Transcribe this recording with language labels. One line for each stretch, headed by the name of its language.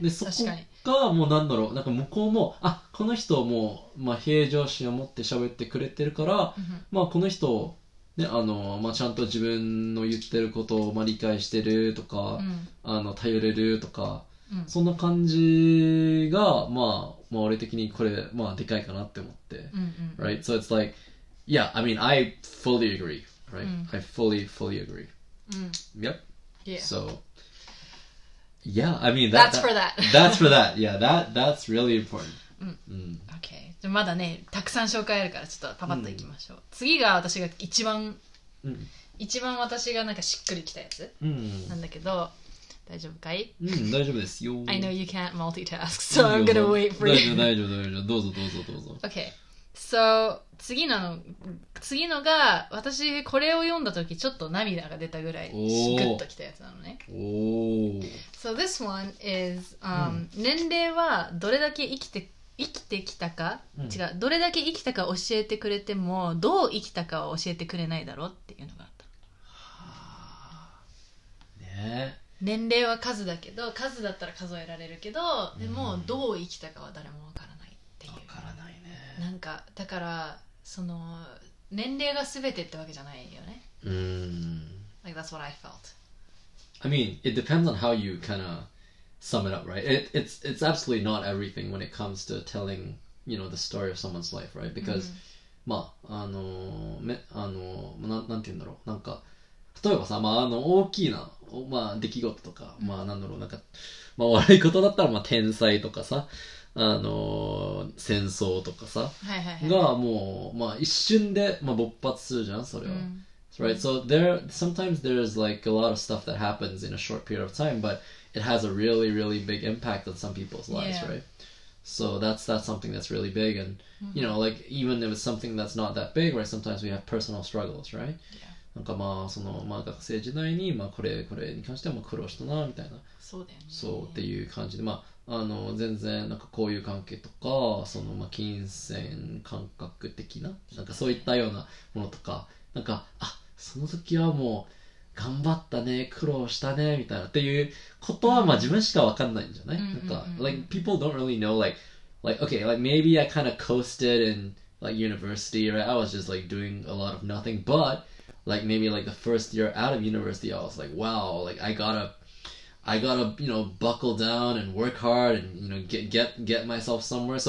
Japanese: そう。で、そこがもうなんだろう、なんか向こうも、あ、この人もう、まあ平常心を持って喋ってくれてるから、まあこの人、ね、まあ、ちゃんと自分の言ってることを、まあ、理解してるとか、頼れるとか、そんな感じが、まあ、まあ俺的にこれ、まあでかいかなって思って。
English: Right? So it's like, yeah, I mean, I fully agree. Right? I fully agree. Yep. Yeah. So, yeah, I mean, that's for that. Yeah, that's really important. Okay.
Japanese: じゃまだね、たくさん紹介あるから、ちょっとパパッといきましょう。次が私が一番私がなんかしっくりきたやつなんだけど、大丈夫かい？うん、大丈夫ですよ。
English: I know you can't multitask, so I'm gonna wait for you.
Japanese: 大丈夫、大丈夫、大丈夫。どうぞ、どうぞ、どうぞ。
English: Okay. So,
Japanese: 次のが、私これを読んだ時、ちょっと涙が出たぐらい、グッときたやつなのね。おー。
English: So this one is,
Japanese: 年齢はどれだけ生きてきたか、違う、どれだけ生きたか教えてくれても、どう生きたかは教えてくれないだろうっていうのがあった。ねえ。年齢は数だけど、数だったら数えられるけど、でもどう生きたかは誰もわからないっていう。わからないね。なんか、だから、その、年齢が全てってわけじゃないよね。
English: Like, that's what I felt. I mean, it depends on how you kind of sum it up, right? It's absolutely not everything when it comes to telling, you know, the story of someone's life, right? Because,
Japanese: まあ、なんて言うんだろう、なんか、例えばさ、まあ、大きいな、まあ、出来事とか、まあ、なんだろう、なんか、まあ、悪いことだったら、まあ、天災とかさ、戦争とかさ、はいはいはい、が、もう、まあ、一瞬で、まあ、勃発するじゃん、それは。うん、
English: right? So, sometimes there's, like, a lot of stuff that happens in a short period of time, but it has a really, really big impact on some people's lives, yeah. right? So, that's something that's really big, and, you know, like, even if it's something that's not that big, right, sometimes we have personal struggles, right? Yeah.
Japanese: なんかまあそのまあ学生時代にまあこれに関しても苦労したなみたいな、そうだよね、そうっていう感じで、まあ全然なんか交友関係とかそのまあ金銭感覚的ななんかそういったようなものとか、なんかあその時はもう頑張ったね、苦労したねみたいなっていうことは、まあ自分しか分かんないんじゃない、うん、なんか、うんうんうん、
English: like people don't really know like okay like maybe I kind of coasted in like university right, I was just like doing a lot of nothing butLike, maybe like the first year out of university, I was like, wow, like I gotta, you know, buckle down and work hard and, you know, get myself somewhere.